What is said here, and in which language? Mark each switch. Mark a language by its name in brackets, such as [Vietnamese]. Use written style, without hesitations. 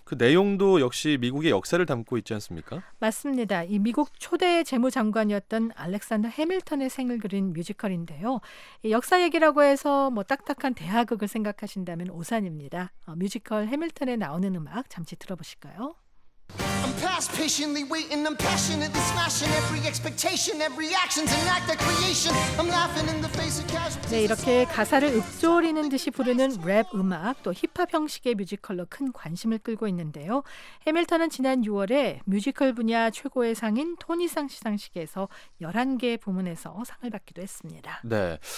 [Korean] 그 내용도 역시 미국의 역사를 담고 있지 않습니까? 맞습니다. 이 미국 초대 재무장관이었던 알렉산더 해밀턴의 생을 그린 뮤지컬인데요. 이 역사 얘기라고 해서 뭐 딱딱한 대하극을 생각하신다면 오산입니다. 뮤지컬 해밀턴에 나오는 음악 잠시 들어보실까요? [English] I'm past patiently waiting, I'm passionately smashing every expectation, every action's an act of creation. I'm laughing in the face of casualties. [Korean] 네, 이렇게 가사를 읊조리는 듯이 부르는 랩 음악, 또 힙합 형식의 뮤지컬로 큰 관심을 끌고 있는데요. 해밀턴은 지난 6월에 뮤지컬 분야 최고의 상인 토니상 시상식에서 11개 부문에서 상을 받기도 했습니다. 네.